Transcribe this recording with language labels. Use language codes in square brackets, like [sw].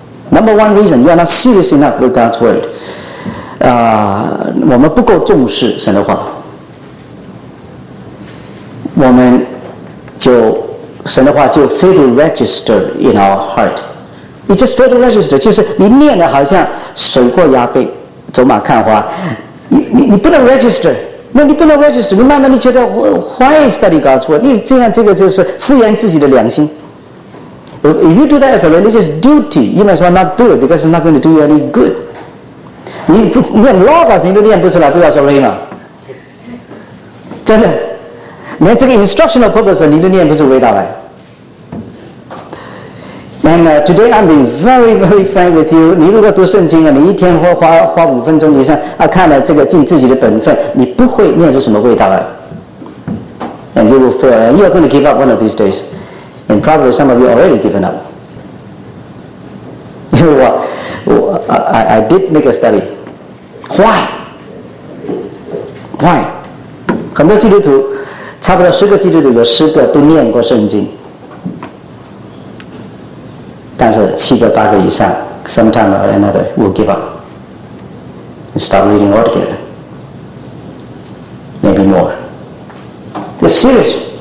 [en] Number one reason, you are not serious enough with God's word。 [zh] 我们不够重视神的话，我们就神的话就 [en] fail to register in our heart. It just fail to register, [zh] 就是你念的好像水过鸭背，走马看花，你不能 register, 那你不能 register, 你慢慢你觉得 [en] why study God's word? [zh] 你这样这个就是敷衍自己的良心。 [en] If you do that as a religious duty, you might as well not do it because it's not going to do you any good. [zh] 你不念 logos, 你都念不出来，不要说 rhema。真的，连这个 instructional purpose 你都念不出味道来。 [en] And today I'm being very, very frank with you. [zh] 你如果读圣经了，你一天花五分钟以上啊，看了这个尽自己的本分，你不会念出什么味道来。 [en] And you will fail. You are going to give up one of these days. And probably some of you already given up. You know what? I did make a study. Why? Why? [zh] 很多基督徒，差不多十个基督徒有十个都念过圣经，但是七个八个以上 [en] sometime or another will give up and stop reading altogether, maybe more. It's serious.